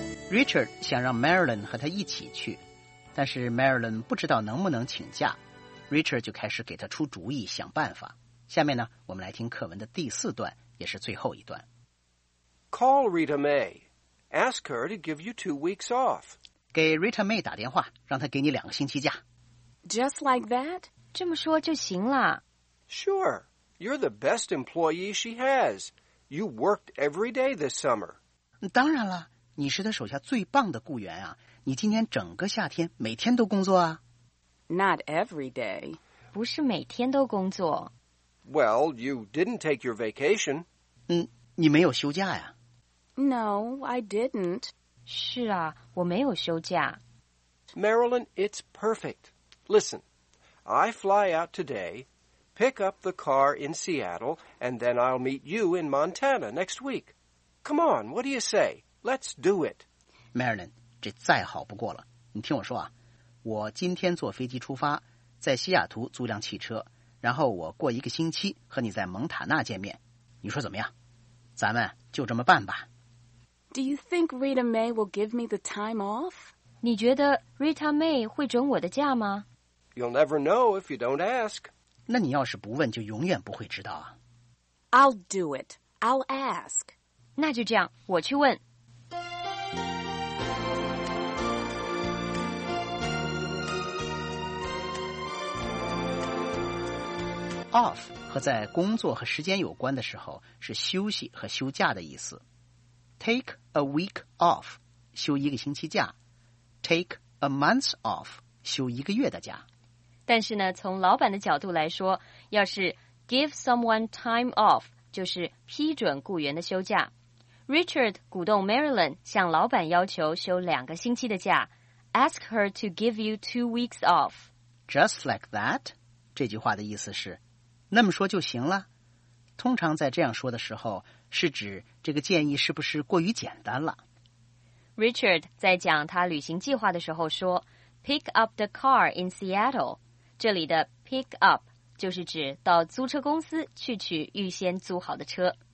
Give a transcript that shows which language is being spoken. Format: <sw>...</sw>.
<zh>Richard 想让 Marilyn 和他一起去，但是 Marilyn 不知道能不能请假， Richard 就开始给他出主意想办法。下面呢，我们来听课文的第四段，也是最后一段。</zh> <en>Call Rita May. Ask her to give you 2 weeks off.</en> <zh>给 Rita May 打电话，让她给你2个星期假。</zh> <en>Just like that?</en> <zh>这么说就行了。</zh> <en>Sure. You're the best employee she has. You worked every day this summer.</en> <zh>当然了，你是他手下最棒的雇员啊，你今年整个夏天每天都工作啊。</zh> <en>Not every day.</en> <zh>不是每天都工作。</zh> <en>Well, you didn't take your vacation.</en> <zh>你没有休假呀。</zh> <en>No, I didn't.</en> <zh>是啊，我没有休假。</zh> <en>Marilyn, it's perfect. Listen, I fly out today, pick up the car in Seattle, and then I'll meet you in Montana next week. Come on, what do you say? Let's do it.</en> <zh>Marilyn, 这再好不过了。你听我说啊，我今天坐飞机出发，在西雅图租辆汽车，然后我过一个星期和你在蒙塔纳见面。你说怎么样？咱们就这么办吧。</zh> <en>Do you think Rita May will give me the time off?</en> <zh>你觉得 Rita May 会准我的假吗？</zh> <en>You'll never know if you don't ask.</en> <zh>那你要是不问，就永远不会知道啊。</zh> <en>I'll do it. I'll ask.</en> <zh>那就这样，我去问。 Off 和在工作和时间有关的时候是休息和休假的意思。</zh> <en>Take a week off</en> <zh>休一个星期假，</zh> <en>Take a month off</en> <zh>休一个月的假。但是呢，从老板的角度来说，要是</zh> <en>give someone time off</en> <zh>就是批准雇员的休假。 Richard 鼓动 Marilyn 向老板要求休2个星期的假，</zh> <en>Ask her to give you 2 weeks off. Just like that</en> <zh>这句话的意思是那么说就行了。通常在这样说的时候，是指这个建议是不是过于简单了。 Richard 在讲他旅行计划的时候说</zh> <en>Pick up the car in Seattle，</en> <zh>这里的 pick up 就是指到租车公司去取预先租好的车。</zh>